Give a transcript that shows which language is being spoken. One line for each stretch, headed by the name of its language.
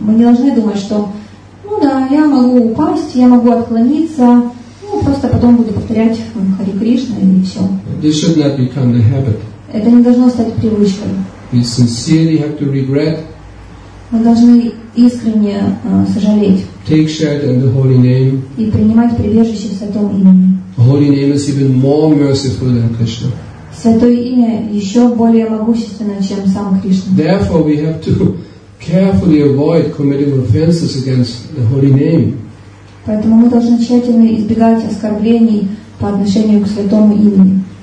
Russian: Мы не должны думать, что, ну да, я могу упасть, я могу отклониться, ну просто потом буду повторять Хари Кришна и все.
English: This should not become the habit.
Russian: Это не должно стать привычкой.
English: We sincerely have to regret.
Russian: Мы должны искренне сожалеть.
English: Take shelter in the holy name.
Russian: И принимать прибежище в святом имени.
English: Holy name is even more merciful than Krishna.
Russian: Святое имя еще более могущественно, чем сам Кришна.
English: Therefore, we have to carefully avoid committing offenses against the holy name.
Russian: Поэтому мы должны тщательно избегать оскорблений по отношению к святому имени.